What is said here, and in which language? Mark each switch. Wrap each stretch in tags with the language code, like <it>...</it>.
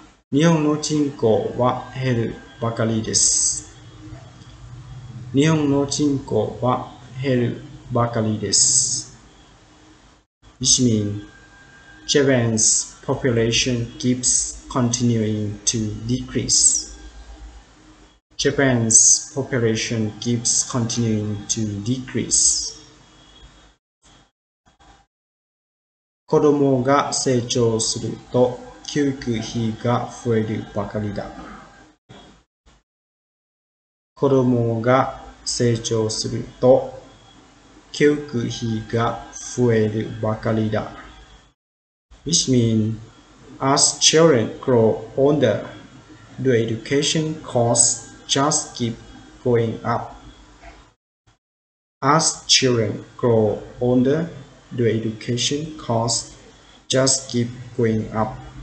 <ja>日本の人口は減るばかりです。日本の人口は減るばかりです。</ja> <en>Which means Japan's population keeps continuing to decrease. Japan's population keeps continuing to decrease.</en> <ja>子供が成長すると教育費が増えるばかりだ。子供が成長すると教育費が増えるばかりだ。</ja> <en>Which means, as children grow older, the education costs just keep going up. As children grow older, the education costs just keep going up.</en>